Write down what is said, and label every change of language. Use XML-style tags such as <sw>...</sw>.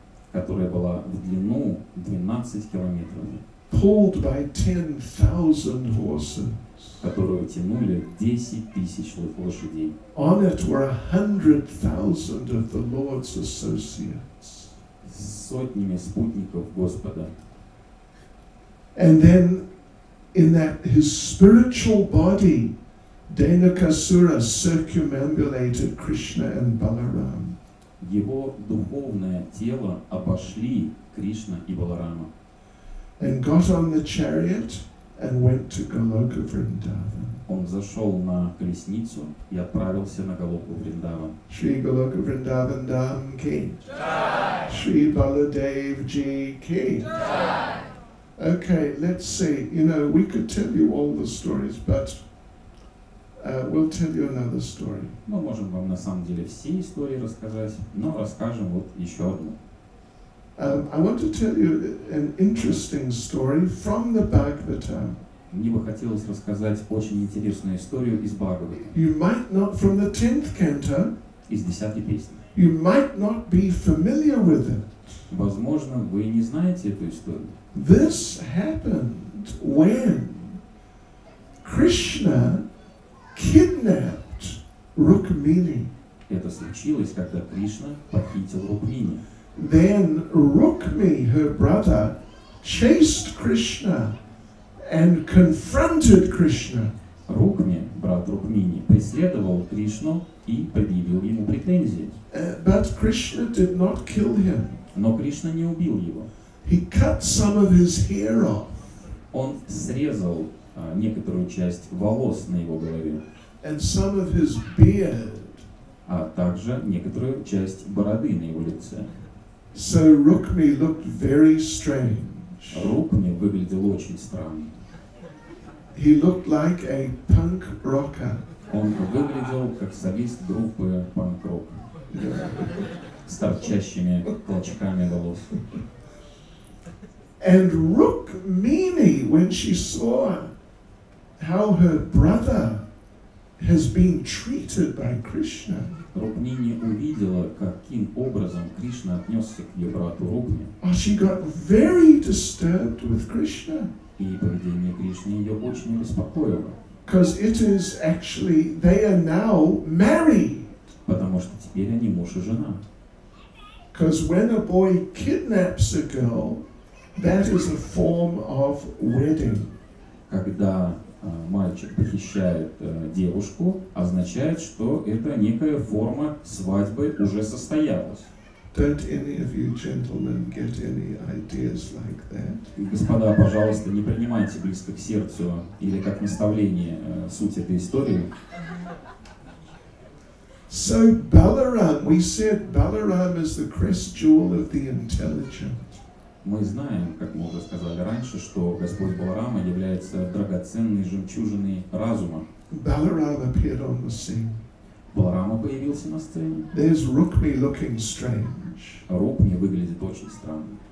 <ru>Которая была в длину 12 километров.</ru> <en>Pulled by 10,000 horses.</en> <ru>Которую тянули 10,000 лошадей.</ru> <en>On it were 100,000 of the Lord's associates.</en> <ru>Сотнями спутников Господа.</ru> <en>And then in that his spiritual body, Dainakasura circumambulated Krishna and Balaram.</en> <ru>Его духовное тело обошли Кришна и Баларама.</ru> <en>And got on the chariot and went to Goloka Vrindavan.</en> <ru>Он зашел на колесницу и отправился на Голоку Вриндаван.</ru> <hi>Shri Goloka Vrindavan Dham ki. Jai. Shri Baladev ji ki. Jai.</hi> <en>Okay, let's see. You know, we could tell you all the stories, but we'll tell you another story.</en> <ru>Мы можем вам на самом деле все истории рассказать, но расскажем вот еще одну.</ru> <en>I want to tell you an interesting story from the Bhagavatam.</en> <ru>Мне бы хотелось рассказать очень интересную историю из Бхагаваты.</ru> <en>You might not from the 10th canto.</en> <ru>Из 10-й песни.</ru> <en>You might not be familiar with it.</en> <ru>Возможно, вы не знаете эту историю.</ru> <en>This happened when Krishna kidnapped Rukmini.</en> <ru>Это случилось, когда Кришна похитил Рукмини.</ru> <en>Then Rukmi, her brother, chased Krishna and confronted Krishna.</en> <ru>Rukmi, брат Рукмини, преследовал Кришну и предъявил ему претензии.</ru> <en>But Krishna did not kill him.</en> <ru>Но Кришна не убил его.</ru> <en>He cut some of his hair off.</en> <ru>Он срезал некоторую часть волос на его голове.</ru> <en>And some of his beard.</en> <ru>А также некоторую часть бороды на его лице.</ru> <en>So Rukmi looked very strange.</en> <ru>Rukmi выглядел очень странно.</ru> <en>He looked like a punk rocker.</en> <ru>Он выглядел как солист группы панк-рок. С торчащими клочками волос.</ru> <en>And Rukmini, when she saw how her brother has been treated by Krishna.</en> <ru>Рукмини увидела, каким образом Кришна отнесся к ее брату Рукми.</ru> <en>Oh, she got very disturbed with Krishna.</en> <ru>И поведение Кришны ее очень беспокоило.</ru> <en>Because it is actually they are now married.</en> <ru>Потому что теперь они муж и жена.</ru> <en>Because when a boy kidnaps a girl, that is a form of wedding.</en> <ru>Когда мальчик похищает девушку, означает, что это некая форма свадьбы уже состоялась.</ru> <en>Don't any of you gentlemen get any ideas like that?</en> <ru>Господа, пожалуйста, не принимайте близко к сердцу или как наставление суть этой истории.</ru> <en>So Balaram, we said Balaram is the crest jewel of the intelligence.</en> <ru>Мы знаем, как мы уже сказали раньше, что Господь Баларама является драгоценной жемчужиной разума.</ru> <en>Balaram appeared on the scene.</en> <ru>Баларама появился на сцене.</ru> <en>There's Rukmi looking strange.</en> <ru>Рукми выглядит очень странно.</ru>